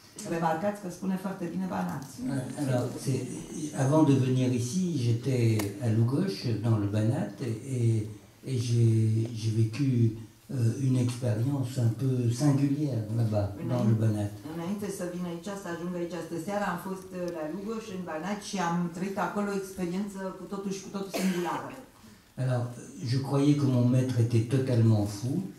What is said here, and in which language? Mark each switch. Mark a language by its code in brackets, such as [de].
[ro] Remarcați că spune foarte bine Banat. [fr] Alors, avant de venir ici, j'étais à Lugoj dans le Banat et j'ai vécu une expérience un peu singulière là-bas dans le Banat. [ro] Înainte să vin aici, să ajung aici astă seară, am fost la Lugoj în Banat și am trăit acolo o experiență cu totul singulară. [fr] Alors, je croyais que mon maître était totalement fou.